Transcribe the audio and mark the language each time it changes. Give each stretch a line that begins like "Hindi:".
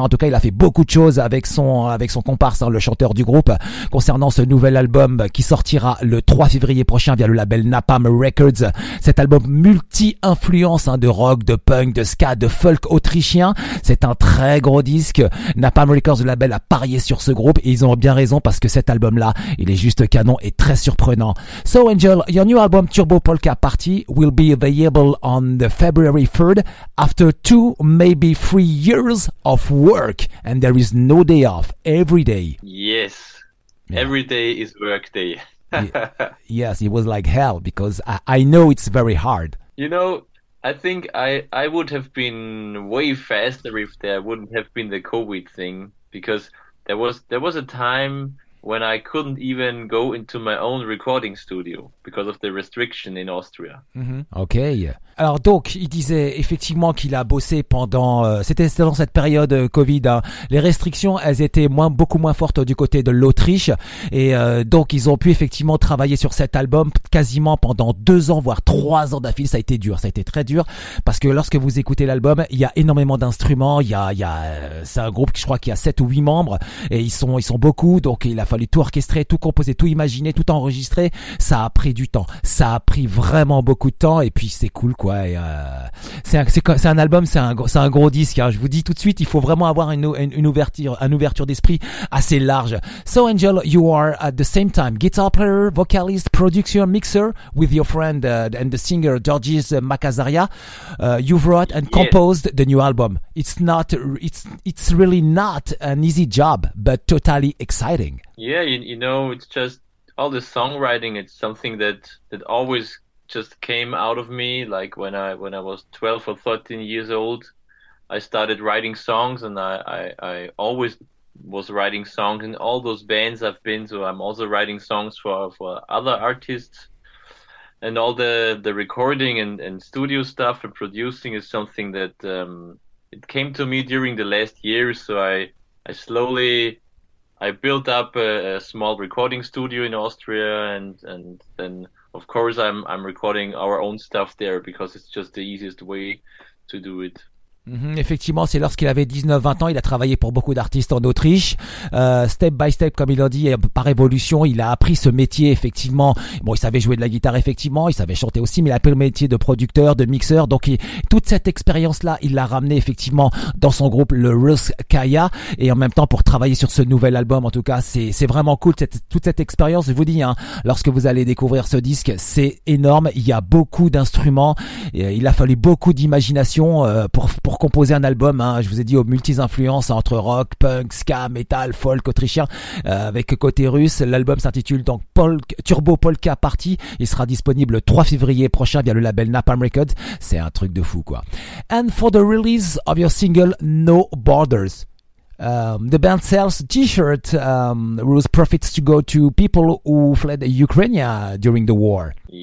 French: En tout cas, il a fait beaucoup de choses avec son comparse, hein, le chanteur du groupe, concernant ce nouvel album qui sortira le 3 février prochain via le label Napalm Records. Cet album multi-influence, hein, de rock, de punk, de ska, de folk autrichien. C'est un très gros disque. Napalm Records, le label, a parié sur ce groupe et ils ont bien raison parce que cet album-là, il est juste canon et très surprenant.
English: So Angel, your new album Turbo Polka Party will be available on the February 3rd after 2, maybe 3 years of work, and there is no day off, every day. Yes, yeah. Every day is work day. Yes, it was like hell because I know it's very hard. You know, I think I would have been way faster if there wouldn't have been the COVID thing, because there was a time when I couldn't even go into my own recording studio because of the restriction in Austria. Mm-hmm. Okay.
French: Alors donc, il disait effectivement qu'il a bossé pendant, c'était dans cette période Covid, hein. Les restrictions, elles étaient beaucoup moins fortes du côté de l'Autriche. Et donc, ils ont pu effectivement travailler sur cet album quasiment pendant 2 ans, voire 3 ans d'affilée. Ça a été dur, ça a été très dur. Parce que lorsque vous écoutez l'album, il y a énormément d'instruments. C'est un groupe qui, je crois, qui a 7 ou 8 membres. Et ils sont beaucoup. Donc, il a fallu tout orchestrer, tout composer, tout imaginer, tout enregistrer. Ça a pris du temps. Ça a pris vraiment beaucoup de temps. Et puis c'est cool, quoi. Et c'est un album, c'est un gros disque. Hein. Je vous dis tout de suite, il faut vraiment avoir une ouverture d'esprit assez large.
English: So Angel, you are at the same time guitar player, vocalist, producer, mixer with your friend and the singer Georges Makazaria. You've wrote and composed the new album. It's really not an easy job, but totally exciting. Yeah, you know, it's just all the songwriting. It's something that always just came out of me. Like when I was 12 or 13 years old, I started writing songs, and I always was writing songs in all those bands I've been to. I'm also writing songs for other artists, and all the recording and studio stuff and producing is something that it came to me during the last year. So I built up a small recording studio in Austria, and then of course I'm recording our own stuff there because it's just the easiest way to do it.
French: Effectivement, c'est lorsqu'il avait 19-20 ans, il a travaillé pour beaucoup d'artistes en Autriche,
English: step by step,
French: comme il en dit, par évolution, il a appris ce métier. Effectivement, bon, il savait jouer de la guitare, effectivement, il savait chanter aussi, mais il a appris le métier de producteur, de mixeur. Donc toute cette expérience là il l'a ramené effectivement dans son groupe, le Ruskaya, et en même temps pour travailler sur ce nouvel album. En tout cas, c'est vraiment cool, toute cette expérience. Je vous dis, hein, lorsque vous allez découvrir ce disque, c'est énorme. Il y a beaucoup d'instruments, il a fallu beaucoup d'imagination pour composer un album, hein. Je vous ai dit, aux multi influences, entre rock, punk, ska, metal, folk autrichien, avec côté russe. L'album s'intitule donc Turbo Polka Party. Il sera disponible le 3 février prochain via le label Napalm Records. C'est un truc de fou, quoi.
English: And for the release of your single No Borders, the band sells t-shirt whose profits to go to people who fled Ukraine during the war.